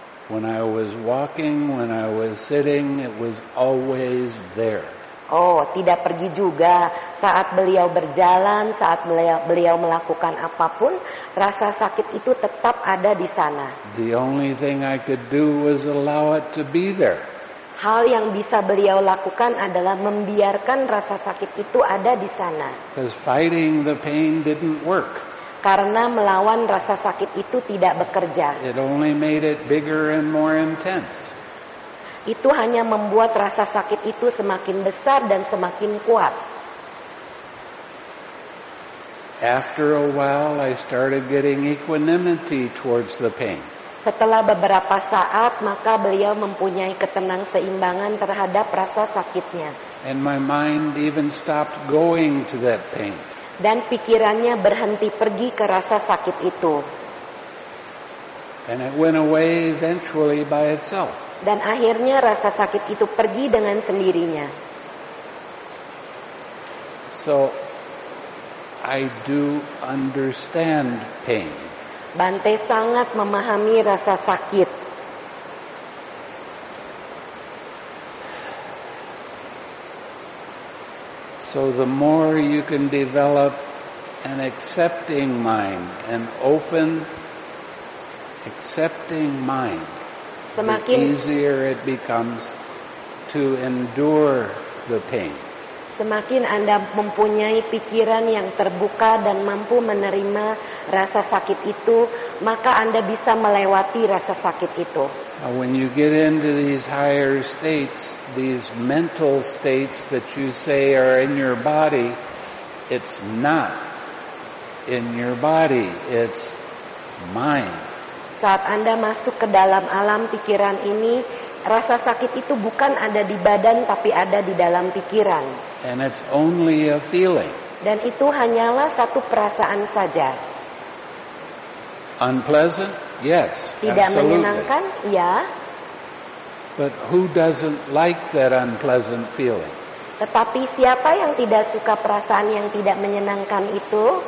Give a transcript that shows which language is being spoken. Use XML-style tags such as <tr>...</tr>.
<en>When I was walking, when I was sitting, it was always there.</en> <id>Oh, tidak pergi juga. Saat beliau berjalan, saat beliau melakukan apapun, rasa sakit itu tetap ada di sana.</id> <en>The only thing I could do was allow it to be there.</en> <id>Hal yang bisa beliau lakukan adalah membiarkan rasa sakit itu ada di sana.</id> <en>Because fighting the pain didn't work.</en> <id>Karena melawan rasa sakit itu tidak bekerja.</id> <en>It only made it bigger and more intense.</en> <id>Itu hanya membuat rasa sakit itu semakin besar dan semakin kuat.</id> <en>After a while, I started getting equanimity towards the pain.</en> <id>Setelah beberapa saat, maka beliau mempunyai ketenang seimbangan terhadap rasa sakitnya.</id> <en>And my mind even stopped going to that pain.</en> <id>Dan pikirannya berhenti pergi ke rasa sakit itu.</id> <en>And it went away eventually by itself.</en> <id>Dan akhirnya rasa sakit itu pergi dengan sendirinya.</id> <en>So, I do understand pain.</en> <id>Bante sangat memahami rasa sakit.</id> <en>So the more you can develop an accepting mind, an open accepting mind,</en> <id>semakin,</id> <en>the easier it becomes to endure the pain.</en> <id>Semakin Anda mempunyai pikiran yang terbuka dan mampu menerima rasa sakit itu, maka Anda bisa melewati rasa sakit itu.</id> <en>Now when you get into these higher states, these mental states that you say are in your body, it's not in your body, it's mind.</en> <id>Saat Anda masuk ke dalam alam pikiran ini, rasa sakit itu bukan ada di badan tapi ada di dalam pikiran.</id> <en>And it's only a feeling.</en> <id>Dan itu hanyalah satu perasaan saja.</id> <en>Unpleasant? Yes.</en> <id>Tidak</id> <en>absolutely.</en> <id>Menyenangkan? Ya.</id> <en>But who doesn't like that unpleasant feeling?</en> <id>Tetapi siapa yang tidak suka perasaan yang tidak menyenangkan itu?</id>